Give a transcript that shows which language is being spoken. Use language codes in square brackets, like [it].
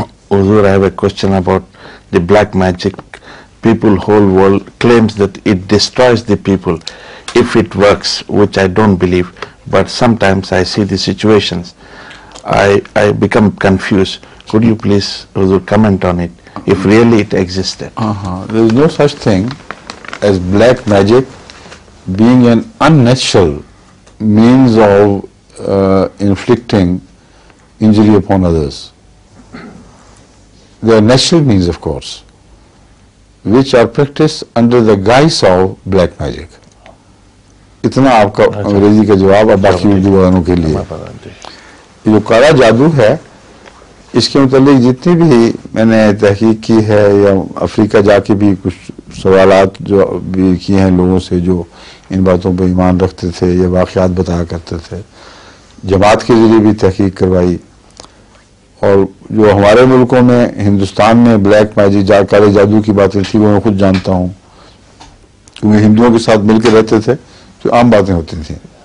[en] حضور، I have a question about the black magic. People whole world claims that it destroys the people if it works, which I don't believe, but sometimes I see the situations, I become confuse. Could you please حضور comment on it if really it existed. There is no such thing as black magic being an unnatural means of inflicting injury upon others. There are natural means, of course, which are practiced under the guise of black magic. [ur] Itna aapka angrezi ka jawab aur baki hindi walon ke liye. Jo kala jadu hai, اس کے متعلق جتنی بھی میں نے تحقیق کی ہے یا افریقہ جا کے بھی کچھ سوالات جو بھی کیے ہیں لوگوں سے جو ان باتوں پہ ایمان رکھتے تھے یا واقعات بتایا کرتے تھے، جماعت کے ذریعے بھی تحقیق کروائی، اور جو ہمارے ملکوں میں ہندوستان میں بلیک میجک جا کالے جادو کی باتیں تھیں وہ میں خود جانتا ہوں، کیونکہ ہندوؤں کے ساتھ مل کے رہتے تھے تو عام باتیں ہوتی تھیں.